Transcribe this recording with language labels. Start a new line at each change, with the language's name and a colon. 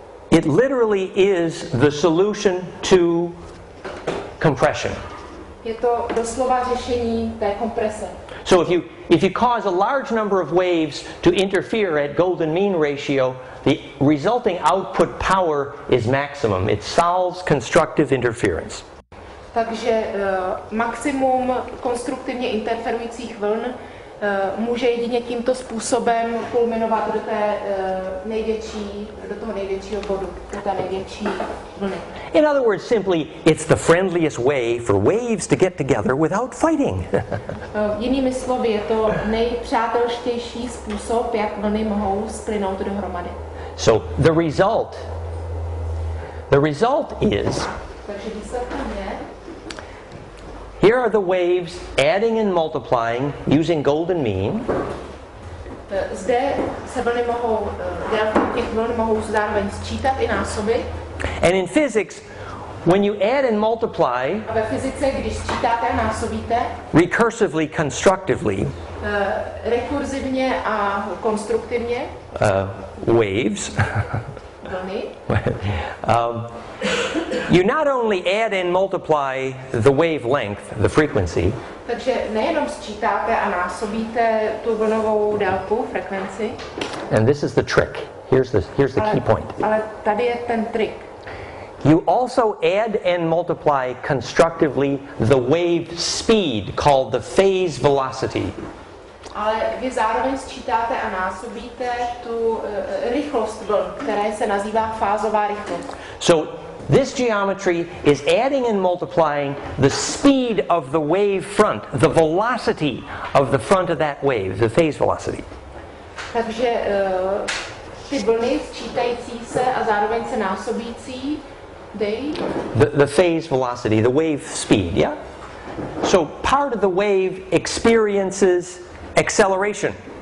English: It literally is the solution to compression.
Czech: Je to doslova řešení té komprese.
English: So if you cause a large number of waves to interfere at golden mean ratio, the resulting output power is maximum. It solves constructive interference.
Czech: Takže maximum konstruktivně interferujících vln může jedině tímto způsobem kulminovat do té největší, do toho největšího bodu, do té největší vlny.
English: In other words, simply, it's the friendliest way for waves to get together without fighting.
Czech: Jinými slovy, je to nejpřátelštější způsob, jak vlny mohou splynout dohromady.
English: So the result is.
Czech: Takže výsledkem je.
English: Here are the waves adding and multiplying using golden mean.
Czech: Zde se vlny mohou, těch vln mohou zároveň sčítat i násobit.
English: And in physics, when you add and multiply,
Czech: a ve fyzice, když sčítáte a násobíte,
English: recursively, constructively,
Czech: rekurzivně a konstruktivně,
English: waves, you not only add and multiply the wavelength, the frequency.
Czech: Takže nejenom sčítáte a násobíte tu vlnovou délku, frekvenci.
English: And this is the trick. Here's the key point.
Czech: Ale tady je ten trik.
English: You also add and multiply constructively the wave speed called the phase velocity.
Czech: Ale vy zároveň sčítáte a násobíte tu rychlost vln, která se nazývá fázová rychlost.
English: So this geometry is adding and multiplying the speed of the wave front, the velocity of the front of that wave, the phase velocity.
Czech: Takže ty vlny sčítající se a zároveň se násobící,
English: the phase velocity, the wave speed, yeah? So part of the wave experiences acceleration.